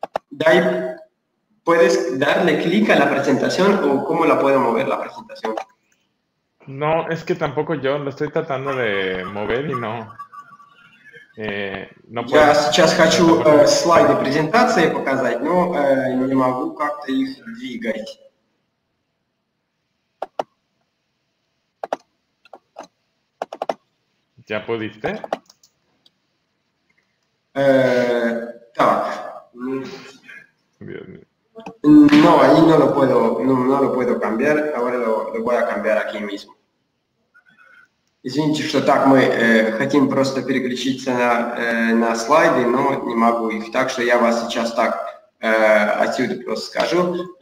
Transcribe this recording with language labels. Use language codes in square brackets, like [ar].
[es] Дай, puedes darle clic a la presentación o cómo la puedo mover la presentación? No, es que tampoco yo lo estoy tratando de mover y no. [ru] Но я сейчас хочу слайды презентации показать, но не могу как-то их двигать. Я подвигте? Так. [es] Bien. No, ahí no lo puedo, no lo puedo cambiar. Ahora lo voy a cambiar aquí mismo. [ru] Извините, что так, мы хотим просто переключиться на слайды, но не могу их. Так что я вас сейчас так отсюда просто скажу.